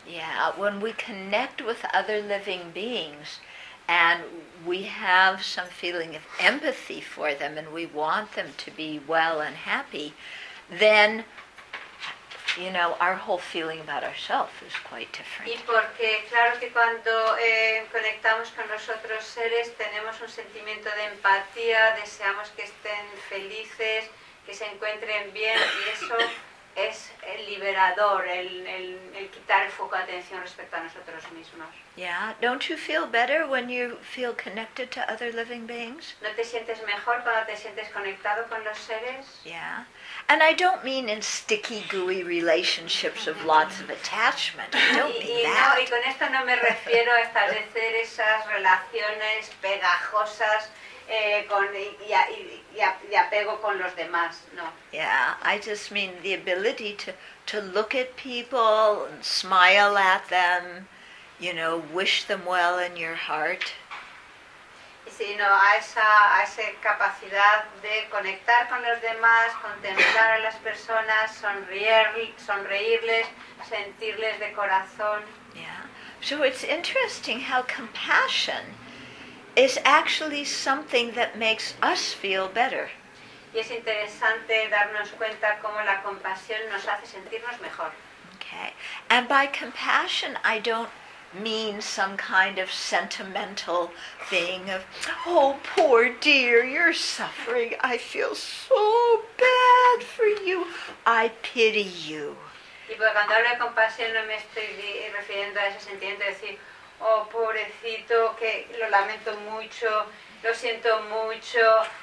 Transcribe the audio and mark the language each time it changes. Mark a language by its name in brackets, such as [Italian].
[English] Yeah, when we connect with other living beings and we have some feeling of empathy for them and we want them to be well and happy, then you know, our whole feeling about ourselves is quite different. [Spanish] Y porque claro que cuando conectamos con los otros seres tenemos un sentimiento de empatía, deseamos que estén felices, que se encuentren bien, y eso es el liberador, el quitar el foco de atención respecto a nosotros mismos. [English] Yeah, don't you feel better when you feel connected to other living beings? [Spanish] ¿No te sientes mejor cuando te sientes conectado con los seres? [English] Yeah. And I don't mean in sticky, gooey relationships of lots of attachment. I don't mean that. [Spanish] No, y con esto no me refiero a establecer esas relaciones pegajosas y apego con los demás, no. [English] Yeah, I just mean the ability to look at people and smile at them, you know, wish them well in your heart. [Spanish] Sino a esa capacidad de conectar con los demás, contemplar a las personas, sonreírles, sentirles de corazón. [English] Yeah. So it's interesting how compassion is actually something that makes us feel better. [Spanish] Y es interesante darnos cuenta cómo la compasión nos hace sentirnos mejor. [English] Okay. And by compassion I don't mean some kind of sentimental thing of, oh, poor dear, you're suffering. I feel so bad for you. I pity you. [Spanish] Y porque cuando hablo de compasión no me estoy refiriendo a ese sentimiento de decir, oh, pobrecito, que lo lamento mucho, lo siento mucho.